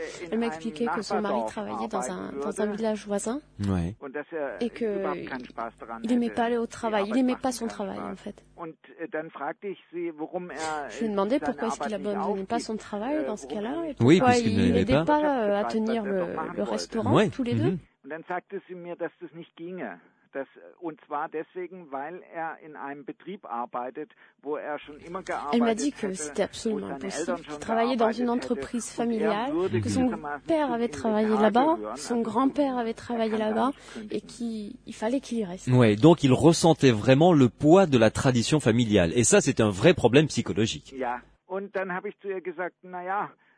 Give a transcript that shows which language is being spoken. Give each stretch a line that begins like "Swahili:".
French: Elle m'a expliqué que son mari travaillait dans un village voisin, ouais. et qu'il n'aimait pas aller au travail, il n'aimait pas son travail en fait. Je lui ai demandé pourquoi est-ce qu'il n'abandonnait pas son travail dans ce cas-là, et pourquoi Parce qu'il n'aidait pas. Pas à tenir le restaurant ouais. tous les deux. Mm-hmm.
German: Und dann sagte sie mir, dass das nicht ginge. Und zwar deswegen, weil in einem Betrieb arbeitet, wo schon immer gearbeitet hat.
French: Elle m'a dit que c'était absolument impossible. Il travaillait dans une entreprise familiale, que son père avait travaillé là-bas, son grand-père avait travaillé là-bas, et qu'il fallait qu'il y reste. Ouais, donc il ressentait vraiment le poids de la tradition familiale. Et ça, c'est un vrai problème psychologique.
German: Ja. Und dann habe ich zu ihr gesagt, na ja.